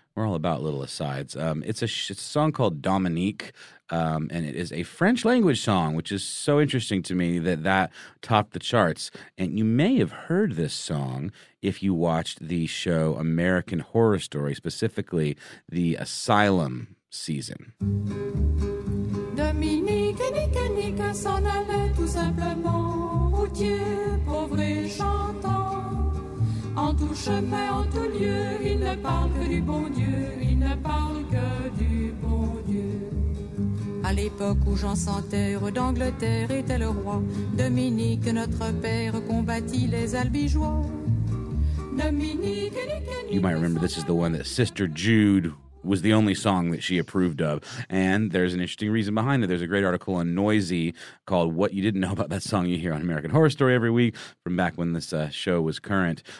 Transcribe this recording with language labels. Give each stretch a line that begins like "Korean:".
English: We're all about little asides. It's a song called Dominique, and it is a French language song, which is so interesting to me that topped the charts. And you may have heard this song if you watched the show American Horror Story, specifically the Asylum season.
French: Dominique, Nique, Nique, s'en allait tout simplement routier, pauvre chantant. En tout chemin, en tout lieu, il ne parle que du bon Dieu, il ne parle que du bon Dieu. À l'époque où Jean Santerre d'Angleterre était le roi, Dominique, notre père, combattit les Albigeois.
English: Dominique, Nique, you might remember this is the one that Sister Jude was the only song that she approved of. And there's an interesting reason behind it. There's a great article on Noisy called What You Didn't Know About That Song You Hear on American Horror Story every week from back when this show was current.